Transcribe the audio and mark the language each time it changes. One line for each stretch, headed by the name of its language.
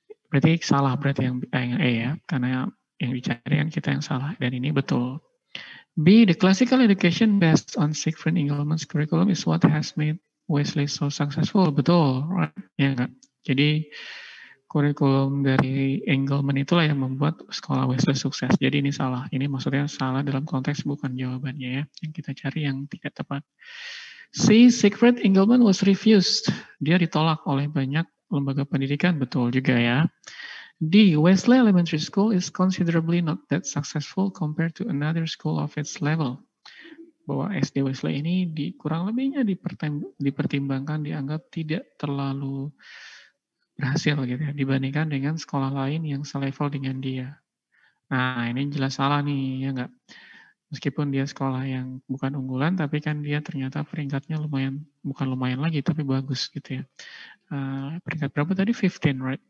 Indonesian: Berarti salah berarti yang A ya, karena yang dicari kan kita yang salah dan ini betul.
English: B, the classical education based on Siegfried Engelmann's curriculum is what has made Wesley so successful.
Indonesian: Betul,
English: right?
Indonesian: Ya enggak. Jadi kurikulum dari Engelmann itulah yang membuat sekolah Wesley sukses. Jadi ini salah. Ini maksudnya salah dalam konteks bukan jawabannya ya. Yang kita cari yang tidak tepat. C.
English: Siegfried Engelmann was refused.
Indonesian: Dia ditolak oleh banyak lembaga pendidikan. Betul juga ya. D.
English: Wesley Elementary School is considerably not that successful compared to another school of its level.
Indonesian: Bahwa SD Wesley ini kurang lebihnya dipertimbangkan, dianggap tidak terlalu berhasil gitu ya, dibandingkan dengan sekolah lain yang selevel dengan dia. Nah, ini jelas salah nih, ya enggak? Meskipun dia sekolah yang bukan unggulan, tapi kan dia ternyata peringkatnya lumayan, bukan lumayan lagi, tapi bagus gitu ya. Peringkat berapa tadi? 15,
English: right?